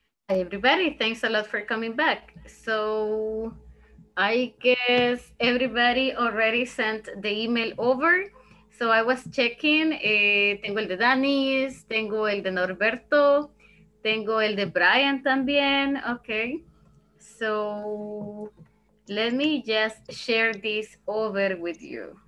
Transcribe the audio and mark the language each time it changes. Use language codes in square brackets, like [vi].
[en] everybody, thanks a lot for coming back. So I guess everybody already sent the email over. So I was checking, [es] tengo el de Danis, tengo el de Norberto, tengo el de Brian también, okay. [en] So let me just share this over with you.